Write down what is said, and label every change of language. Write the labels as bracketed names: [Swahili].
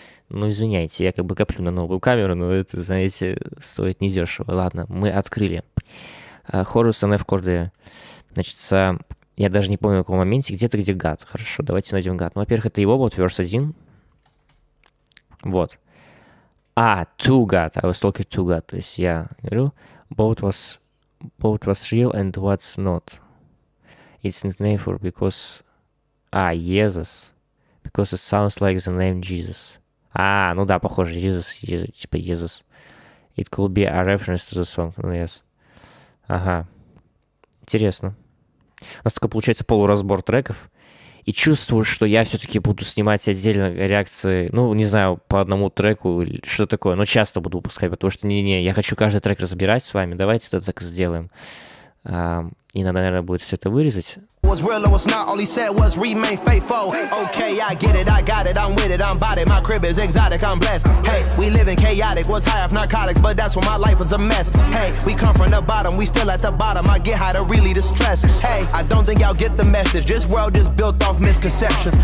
[Russian] Ну, извиняйте, я как бы коплю на новую камеру, но это, знаете, стоит недешево. Ладно, мы открыли. Хорус NF Корды. Значит, я даже не помню, на каком моменте. Где-то где гад. Хорошо, давайте найдем гад. Ну, во-первых, это его, вот, verse 1. [English] Вот. А, too gad. I was talking too gad. [Russian] То есть я говорю, [English] both was real and what's not. It's not name for because... А, Jesus. Because it sounds like the name Jesus. [Russian] А, ну да, похоже, Jesus, типа Jesus. [English] It could be a reference to the song. Yes. [Russian] Ага. Интересно. У нас такой получается полуразбор треков. И чувствую, что я все-таки буду снимать отдельно реакции, ну, не знаю, по одному треку или что такое, но часто буду выпускать, потому что не-не, я хочу каждый трек разбирать с вами, давайте это так и сделаем. И надо, наверное, будет все это вырезать. [English] Was real or was not, all he said was remain faithful. Okay, I get it, I got it, I'm with it, I'm about it. My crib is exotic, I'm blessed. Hey, we living chaotic, what's high off narcotics, but that's when my life is a mess. Hey, we come from the bottom, we still at the bottom. I get high to really distress. Hey, I don't think y'all get the message. This world is built off misconceptions.